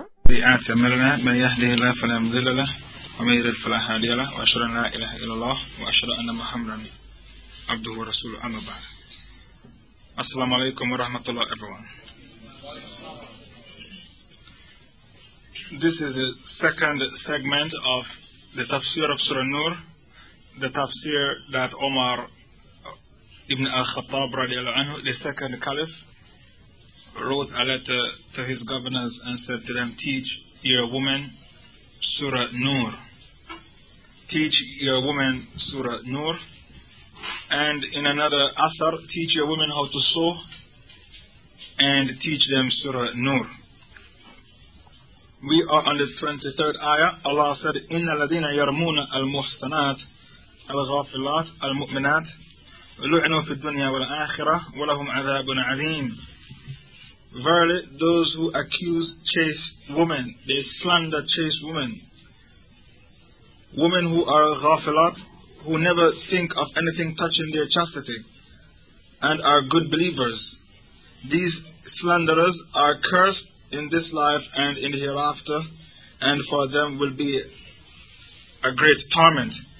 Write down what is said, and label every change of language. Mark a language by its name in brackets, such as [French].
[Arabic] بأعتمرنا من يهده الله فلا مضل له ومن يضلل فلا هادي له وأشهد أن لا إله إلا الله وأشهد أن محمدا عبده ورسوله أما بعد السلام عليكم ورحمة الله [English] everyone. This is the second segment of the tafsir of Surah Nur, the tafsir that Omar ibn al-Khattab radiallahu anhu, the second caliph, wrote a letter to his governors and said to them, teach your women Surah Nur. Teach your women Surah Nur. And in another asar, teach your women how to sew and teach them Surah Nur. We are on the 23rd ayah. Allah said, [Arabic] إِنَّ الَّذِينَ يَرْمُونَ الْمُحْسَنَاتِ الْغَافِلَاتِ الْمُؤْمِنَاتِ لُعْنُوا فِي الدُّنْيَا وَالْآخِرَةِ وَلَهُمْ عَذَابٌ عَذِيمٌ. [English] Verily, those who accuse chaste women, they slander chaste women. Women who are ghafilat, who never think of anything touching their chastity, and are good believers. These slanderers are cursed in this life and in the hereafter, and for them will be a great torment.